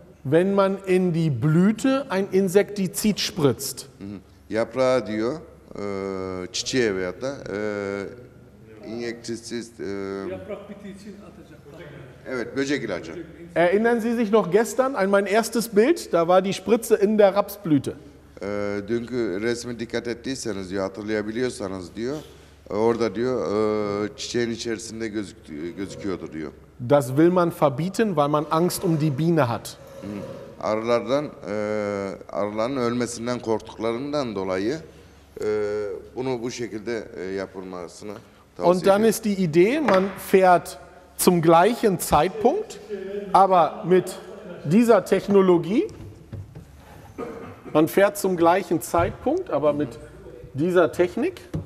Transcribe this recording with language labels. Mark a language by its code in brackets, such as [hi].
[de] Wenn man in die Blüte ein Insektizid spritzt. [tr] Mhm. Yaprağa diyor, çiçeğe veyahut da injektizist. Yaprak bitiği için atacak. Evet, böcek ilacı. [de] Erinnern Sie sich noch gestern an mein erstes Bild? Da war die Spritze in der Rapsblüte. [tr] Dünkü resmi dikkat ettiyseniz diyor, hatırlayabiliyorsanız diyor, orada diyor çiçeğin içerisinde gözüküyordu diyor. [de] Das will man verbieten, weil man Angst um die Biene hat. [tr] Arılardan, arıların ölmesinden korktuklarından dolayı bunu bu şekilde yapılmasını tavsiye ediyorum. [de] Und dann ist die Idee, man fährt zum gleichen Zeitpunkt, aber mit dieser Technologie, man fährt zum gleichen Zeitpunkt, aber mit dieser Technik.